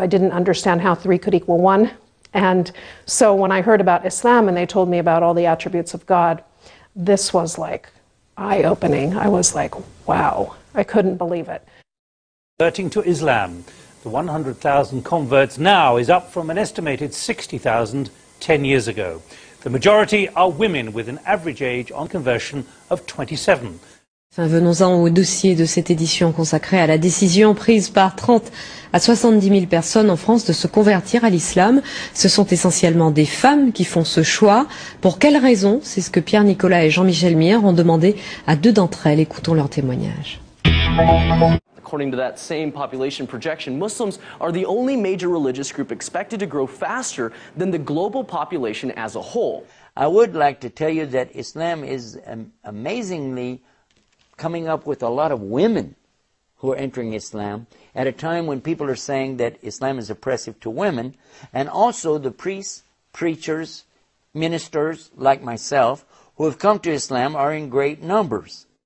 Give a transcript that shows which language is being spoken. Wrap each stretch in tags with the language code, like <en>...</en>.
<en>I didn't understand how three could equal one. And so when I heard about Islam and they told me about all the attributes of God, this was like eye-opening. I was like, wow, I couldn't believe it. Converting to Islam, the 100,000 converts now is up from an estimated 60,000 10 years ago. The majority are women with an average age on conversion of 27.</en> <fr>Enfin, venons-en au dossier de cette édition consacrée à la décision prise par 30 à 70 000 personnes en France de se convertir à l'islam. Ce sont essentiellement des femmes qui font ce choix. Pour quelles raisons? C'est ce que Pierre-Nicolas et Jean-Michel Mire ont demandé à deux d'entre elles. Écoutons leur témoignage.</fr> <en>According to that same population projection, Muslims are the only major religious group expected to grow faster than the global population as a whole. I would like to tell you that Islam is amazingly coming up with a lot of women who are entering Islam at a time when people are saying that Islam is oppressive to women, and also the priests, preachers, ministers like myself who have come to Islam are in great numbers.</en>